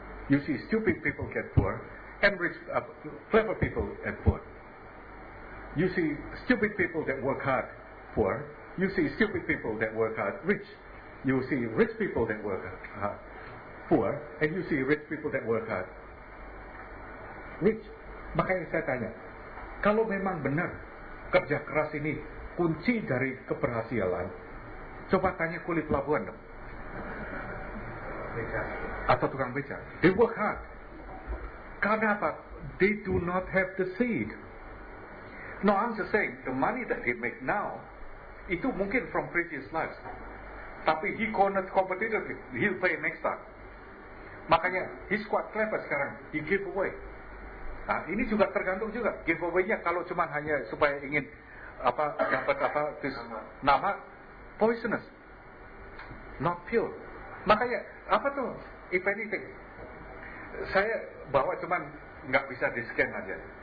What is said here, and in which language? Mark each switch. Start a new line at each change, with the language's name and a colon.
English: You see stupid people get poor and rich, clever people get poor. You see stupid people that work hard poor. You see stupid people that work hard rich. You see rich people that work hard poor. And you see rich people that work hard rich.
Indonesian: Makanya saya tanya, kalau memang benar kerja keras ini kunci dari keberhasilan, coba tanya kulit pelabuhan dong. Atau tukang beca.
English: They work hard.
Indonesian: Karena apa?
English: They do not have the seed. No, I'm just saying, the money that they make now,
Indonesian: itu mungkin
English: from previous lives.
Indonesian: Tapi
English: he cornered competitor, he'll pay next time.
Indonesian: Makanya,
English: he's quite clever
Indonesian: sekarang.
English: He give away.
Indonesian: Nah, ini juga tergantung juga. Give away-nya kalau cuma hanya supaya ingin apa dapat apa, this nama, poisonous.
English: Not pure.
Indonesian: Makanya, apa tuh,
English: if anything.
Indonesian: Saya bawa cuma nggak bisa di-scan aja.